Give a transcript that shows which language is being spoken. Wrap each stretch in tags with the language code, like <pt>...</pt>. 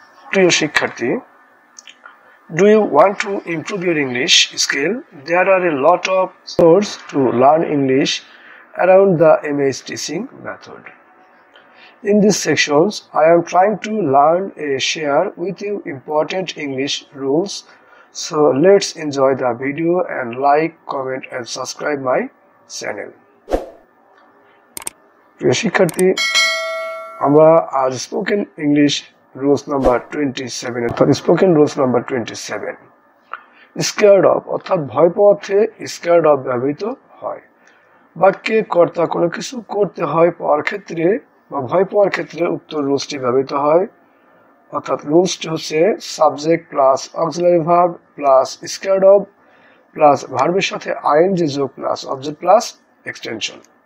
<bn>প্রিয় শিক্ষার্থী,</bn> <en>Do you want to improve your English skill? There are a lot of source to learn English around the MH teaching method. In this sections I am trying to learn a share with you important English rules. So let's enjoy the video and like, comment and subscribe my channel.</en> <bn>প্রিয় শিক্ষার্থী, আমরা আজ spoken English rules number 27 spoken rules number 27 scared of, অর্থাৎ ভয় পথে scared of ব্যবহৃত হয়। বাক্যে কর্তা কোনো কিছু করতে হয় পাওয়ার ক্ষেত্রে বা ভয় পাওয়ার ক্ষেত্রে উক্ত রুলসটি ব্যবহৃত হয়, অর্থাৎ রুলসটি হচ্ছে subject plus auxiliary verb plus স্কেয়ারড of plus ভার্বের সাথে আইএনজি যোগ প্লাস অবজেক্ট প্লাস এক্সটেনশন।</bn>